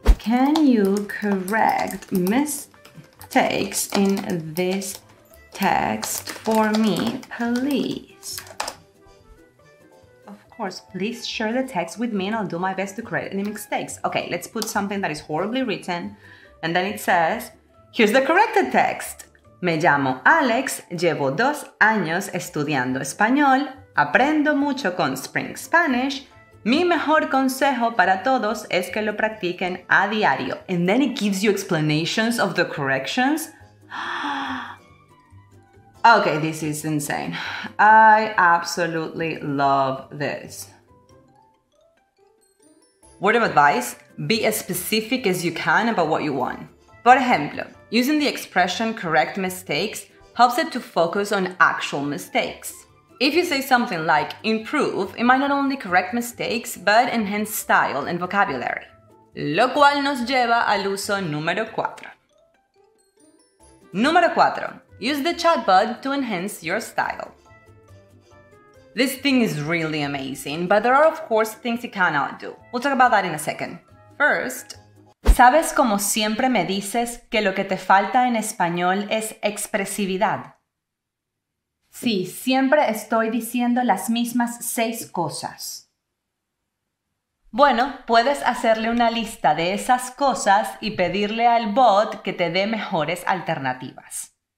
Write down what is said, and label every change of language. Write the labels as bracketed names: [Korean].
[English] Can you correct mistakes in this text for me, please? Of course, please share the text with me and I'll do my best to correct any mistakes. Okay, let's put something that is horribly written. And then it says, here's the corrected text. [Spanish] Me llamo Alex, llevo 2 años estudiando español, aprendo mucho con Spring Spanish. Mi mejor consejo para todos es que lo practiquen a diario. [English] And then it gives you explanations of the corrections. Okay, this is insane. I absolutely love this. Word of advice, be as specific as you can about what you want. [Spanish] Por ejemplo, [English] using the expression correct mistakes helps it to focus on actual mistakes. If you say something like improve, it might not only correct mistakes, but enhance style and vocabulary. [Spanish] Lo cual nos lleva al uso número 4. Número 4. [English] Use the chatbot to enhance your style. This thing is really amazing, but there are of course things it cannot do. We'll talk about that in a second. First, [Spanish] ¿sabes cómo siempre me dices que lo que te falta en español es expresividad? Sí, siempre estoy diciendo las mismas 6 cosas. Bueno, puedes hacerle una lista de esas cosas y pedirle al bot que te dé mejores alternativas.